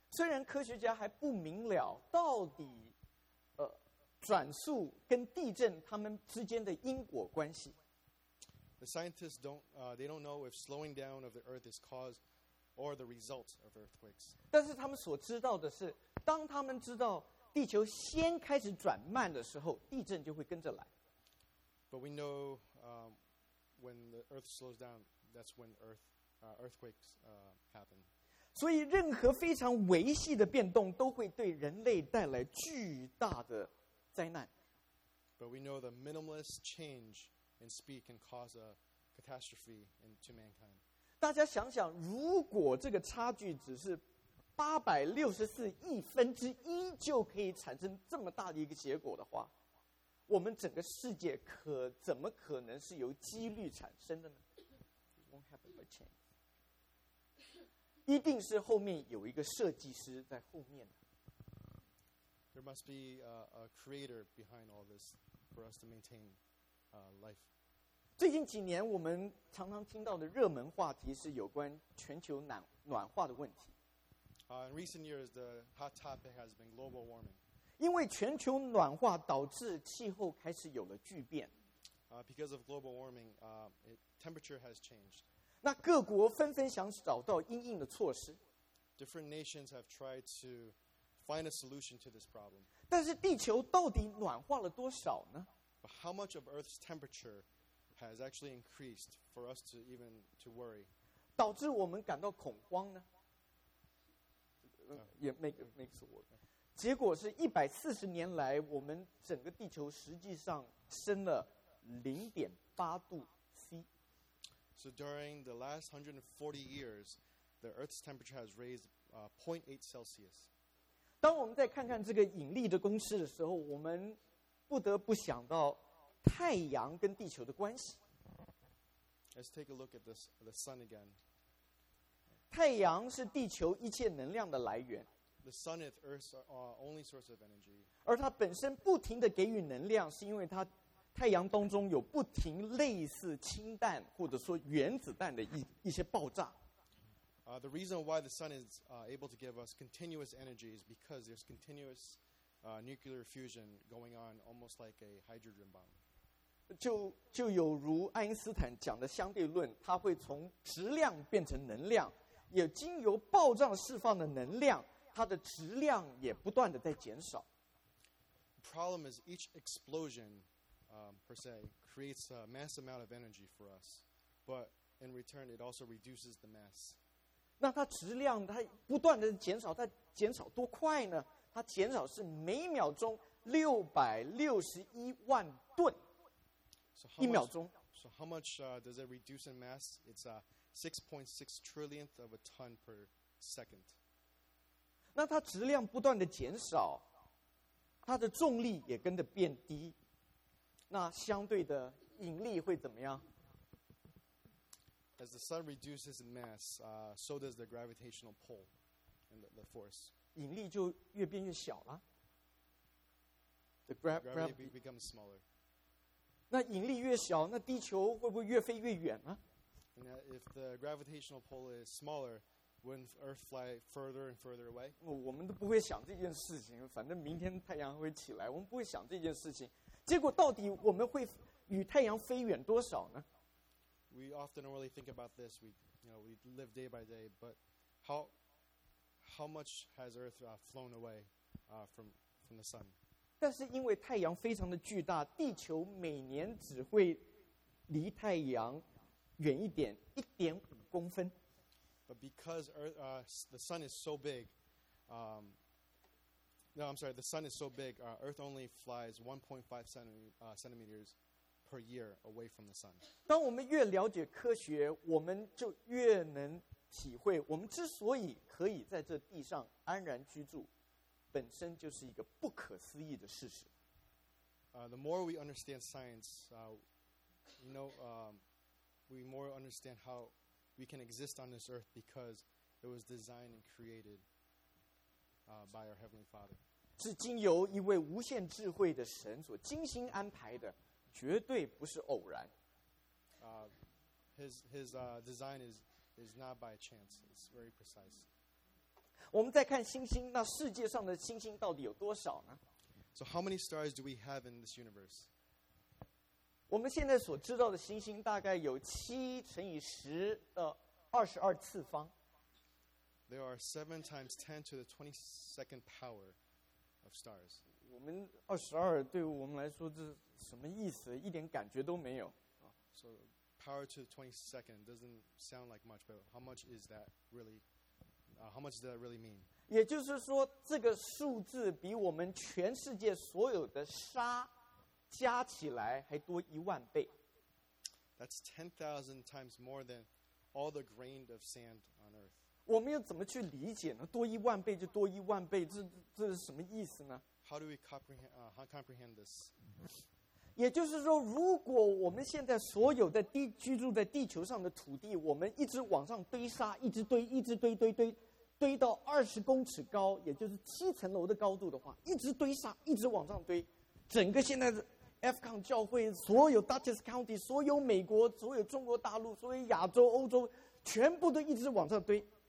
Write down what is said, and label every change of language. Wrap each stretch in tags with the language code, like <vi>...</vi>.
<zh>虽然科学家还不明了到底转速跟地震它们之间的因果关系。</zh> <en>The scientists don't know if slowing down of the earth is cause or the result of earthquakes.</en> <zh>但是他们所知道的是，当他们知道地球先开始转慢的时候，地震就会跟着来。</zh> <en>But we know when the earth slows down, that's when earthquakes happen.</en> <zh>所以任何非常微细的变动都会对人类带来巨大的灾难。</zh> <en>But we know the minimalist change in speed can cause a catastrophe to mankind.</en> <zh>大家想想，如果这个差距只是864亿分之一就可以产生这么大的一个结果的话，我们整个世界可怎么可能是由几率产生的呢？</zh> <en>It won't happen by chance.</en> <zh>一定是后面有一个设计师在后面的。</zh> <en>There must be a creator behind all this for us to maintain life.</en> <zh>最近几年我们常常听到的热门话题是有关全球暖化的问题。</zh> <en>In recent years, the hot topic has been global warming.</en> <zh>因为全球暖化导致气候开始有了巨变。</zh> <en>Because of global warming, temperature has changed.</en> <zh>那各国纷纷想找到因应的措施。</zh> <en>Different nations have tried to find a solution to this problem.</en> <zh>但是地球到底暖化了多少呢？</zh> <en>But how much of Earth's temperature has actually increased for us to even to worry?</en> <zh>导致我们感到恐慌呢？也</zh> <en>makes it work.</en> <zh>结果是140年来，我们整个地球实际上升了0.8°C.</zh> <en>So during the last 140 years, the Earth's temperature has raised 0.8°C.</en> <zh>当我们再看看这个引力的公式的时候，我们不得不想到太阳跟地球的关系。</zh> <en>Let's take a look at this, the sun again.</en> <zh>太阳是地球一切能量的来源。</zh> <en>The sun is Earth's only source of energy.</en> <zh>而它本身不停地给予能量，是因为它太阳当中有不停类似氢弹或者说原子弹的一些爆炸。</zh> <en>The reason why the sun is able to give us continuous energy is because there's continuous nuclear fusion going on, almost like a hydrogen bomb.</en> <zh>就有如爱因斯坦讲的相对论，它会从质量变成能量。也经由爆炸释放的能量，它的质量也不断的在减少。</zh> <en>The problem is each explosion, per se, creates a mass amount of energy for us, but in return, it also reduces the mass.</en> <zh>那它质量它不断的减少，它减少多快呢？它减少是每秒钟661万吨。一秒钟。</zh> <en>So how much does it reduce in mass? It's a 6.6 trillionth of a ton per second.</en> <zh>那它质量不断的减少，它的重力也跟着变低。那相对的引力会怎么样？</zh> <en>As the sun reduces in mass, so does the gravitational pull and the force.</en> <zh>引力就越变越小了。</zh> <en>Gravity becomes smaller.</en> <zh>那引力越小，那地球会不会越飞越远呢？</zh> <en>And if the gravitational pull is smaller, wouldn't Earth fly further and further away?</en> <zh>我们都不会想这件事情，反正明天太阳会起来，我们不会想这件事情。结果到底我们会与太阳飞远多少呢？</zh> <en>We often don't really think about this. We, you know, we live day by day, but how much has Earth flown away from the sun?</en> <zh>但是因为太阳非常的巨大，地球每年只会离太阳远一点，1.5公分。</zh> <en>But because Earth, the sun is so big, the sun is so big, Earth only flies 1.5 centimeters per year away from the sun.</en> <zh>当我们越了解科学，我们就越能体会，我们之所以可以在这地上安然居住，本身就是一个不可思议的事实。</zh> <en>The more we understand science, we more understand how we can exist on this earth because it was designed and created by our Heavenly Father.</en> <zh>是经由一位无限智慧的神所精心安排的，绝对不是偶然。</zh> <en>His design is not by chance. It's very precise.</en> <zh>我们再看星星，那世界上的星星到底有多少呢？</zh> <en>So how many stars do we have in this universe?</en> <zh>我们现在所知道的星星大概有7×10²次方。</zh> <en>There are 7×10²² of stars.</en> <zh>我们二十二对我们来说这什么意思？一点感觉都没有。</zh> <en>So power to the 22nd doesn't sound like much, but how much is that really? How much does that really mean?</en> <zh>也就是说，这个数字比我们全世界所有的沙加起来还多10,000倍。</zh> <en>That's 10,000 times more than all the grain of sand on Earth.</en> <zh>我们又怎么去理解呢？多一万倍就多一万倍，这是什么意思呢？</zh> <en>How do we comprehend this?</en> <zh>也就是说，如果我们现在所有的居住在地球上的土地，我们一直往上堆沙，一直堆，一直堆，堆堆堆到20公尺高，也就是7层楼的高度的话，一直堆沙，一直往上堆，整个现在的 FCON 教会，所有 Dutchess County， 所有美国，所有中国大陆，所有亚洲、欧洲，全部都一直往上堆。</zh>